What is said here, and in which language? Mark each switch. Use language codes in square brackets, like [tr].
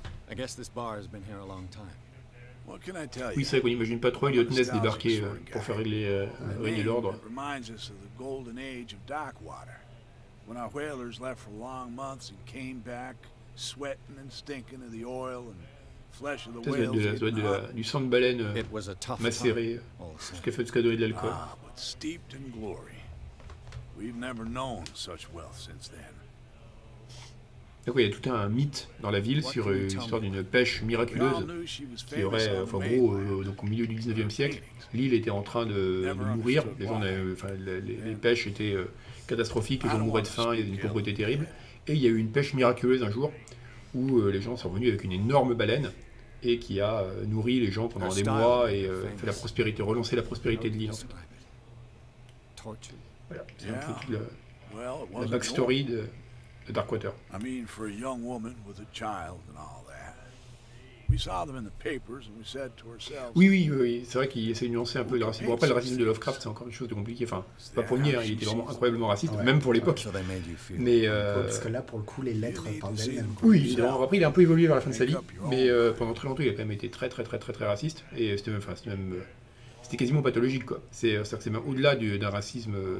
[en] I guess this bar has been here a long time. [fr] Oui, c'est vrai qu'on n'imagine pas trop Elliot Ness débarquer pour faire régler l'ordre. [en] Ça reminds us of the golden age of Darkwater, when our whalers left for long months and came back sweating and stinking of the oil and flesh of the whales. [fr] Du sang de baleine macéré, jusqu'à donner de l'alcool. [en] Ah, but steeped in glory, we've never known such wealth since then. [fr] Donc, il y a tout un mythe dans la ville sur l'histoire d'une pêche miraculeuse qui aurait, enfin gros, donc au milieu du 19e siècle, l'île était en train de mourir, les pêches étaient catastrophiques, les gens mouraient de faim, il y avait une pauvreté terrible, et il y a eu une pêche miraculeuse un jour où les gens sont venus avec une énorme baleine et qui a nourri les gens pendant des mois et fait la prospérité, relancer la prospérité de l'île. Voilà, c'est un peu la backstory de... Darkwater. [en] I mean, for a young woman with a child and all that. We saw them in the papers and we said to ourselves. [fr] Oui. C'est vrai qu'il essaie de nuancer un peu le racisme. Bon, après, le racisme de Lovecraft, c'est encore une chose de compliqué. Enfin, c'est pas pour nier, hein, il était vraiment incroyablement raciste, ouais, même pour l'époque. Ouais, mais parce que là, pour le coup, les lettres parlent d'elles-mêmes. Oui, évidemment. Après, il a un peu évolué vers la fin de sa vie, mais pendant très longtemps, il a quand même été très raciste. Et c'était même, c'était quasiment pathologique, quoi. C'est-à-dire que c'est même au-delà d'un racisme.